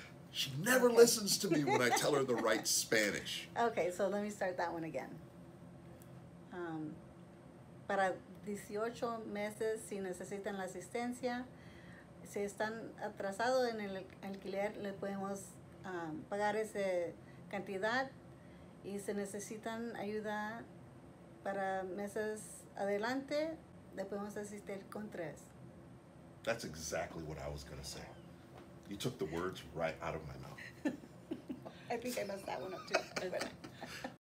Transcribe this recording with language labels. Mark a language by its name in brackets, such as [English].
[English] She never listens to me when I tell her the right Spanish. Okay, so let me start that one again. [Spanish] Para 18 meses, si necesitan la asistencia, si están atrasados en el alquiler, le podemos pagar esa cantidad. Y si necesitan ayuda para meses adelante, le podemos asistir con tres. [English] That's exactly what I was going to say. You took the words right out of my mouth. I think I messed that one up too.